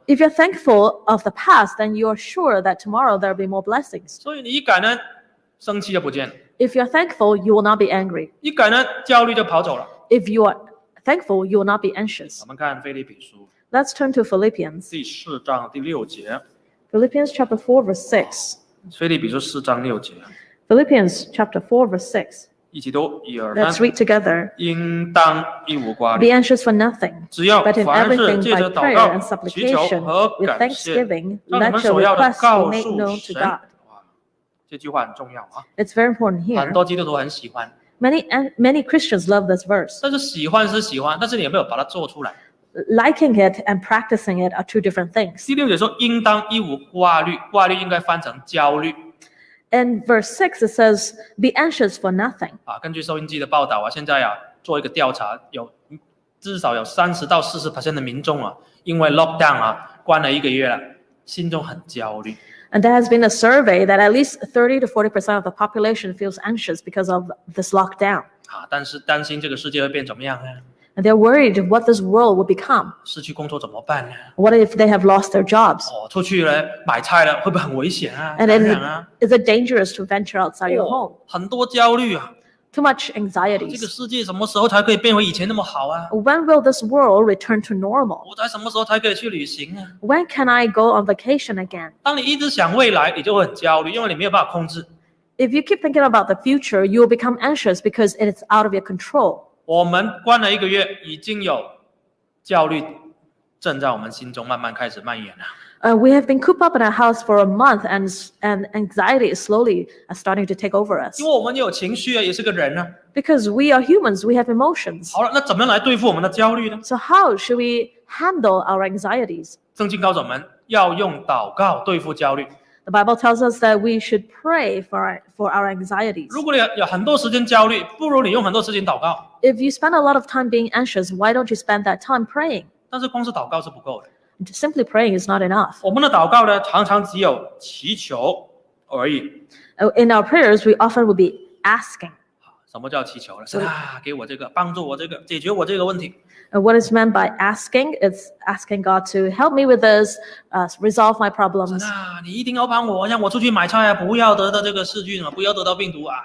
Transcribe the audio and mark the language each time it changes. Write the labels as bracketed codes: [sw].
[en] If you're thankful of the past, then you're sure that tomorrow there'll be more blessings. [zh] 所以你一感恩，生气就不见了。 [en] If you're thankful, you will not be angry. [zh] 一感恩，焦虑就跑走了。 [en] If you are thankful, you will not be anxious. [zh] 我们看腓立比书。 [en] Let's turn to Philippians. [zh] 第四章第六节。 [en] Philippians chapter 4 verse 6. [zh] 腓立比书四章六节。 [en] Philippians chapter 4 verse 6. [zh] 一起读，一二三。 [en] Let's read together. [zh] 应当一无挂虑。 [en] Be anxious for nothing. [zh] 只要凡事借着祷告、祈求和感谢，让你们所要的告诉神。这句话很重要啊。 [en] It's very important here. [zh] 很多基督徒很喜欢。 [en] Many Christians love this verse. [zh] 但是喜欢是喜欢，但是你有没有把它做出来？ [en] Liking it and practicing it are two different things. [zh] 第六节说应当一无挂虑，挂虑应该翻成焦虑。 [en] And verse 6 it says be anxious for nothing. [zh] 啊，根据收音机的报道啊，现在啊做一个调查，有至少有30-40% 的民众啊，因为 lockdown 啊关了一个月了，心中很焦虑。 [en] And there has been a survey that at least 30-40% of the population feels anxious because of this lockdown. [zh] 啊，但是担心这个世界会变怎么样呢？ [en] And they're worried what this world will become. [zh] 失去工作怎么办呢？ [en] What if they have lost their jobs? [zh] 哦，出去了买菜了，会不会很危险啊？ [en] And then, [zh] 感染啊？ [en] Is it dangerous to venture outside your home? [zh] 很多焦虑啊。 [en] Too much anxiety. [zh] 这个世界什么时候才可以变回以前那么好啊？ [en] When will this world return to normal? [zh] 我在什么时候才可以去旅行啊？ [en] When can I go on vacation again? [zh] 当你一直想未来，你就会很焦虑，因为你没有办法控制。 [en] If you keep thinking about the future, you will become anxious because it is out of your control. [zh] 我们关了一个月，已经有焦虑正在我们心中慢慢开始蔓延了。 [en] We have been cooped up in our house for a month, and anxiety is slowly starting to take over us. [zh] 因为我们有情绪啊，也是个人啊。 [en] Because we are humans, we have emotions. [zh] 好了，那怎么样来对付我们的焦虑呢？ [en] So how should we handle our anxieties? [zh] 圣经告诉我们要用祷告对付焦虑。 [en] The Bible tells us that we should pray for our anxieties. [zh] 如果你有很多时间焦虑，不如你用很多时间祷告。 [en] If you spend a lot of time being anxious, why don't you spend that time praying? [zh] 但是光是祷告是不够的。 [en] Simply praying is not enough. [zh] 我们的祷告呢，常常只有祈求而已。 [en] In our prayers, we often will be asking. [zh] 什么叫祈求呢？啊，给我这个，帮助我这个，解决我这个问题。 [en] What is meant by asking? It's asking God to help me with this, resolve my problems. [zh] 啊，你一定要帮我，让我出去买菜啊，不要得到这个细菌啊，不要得到病毒啊。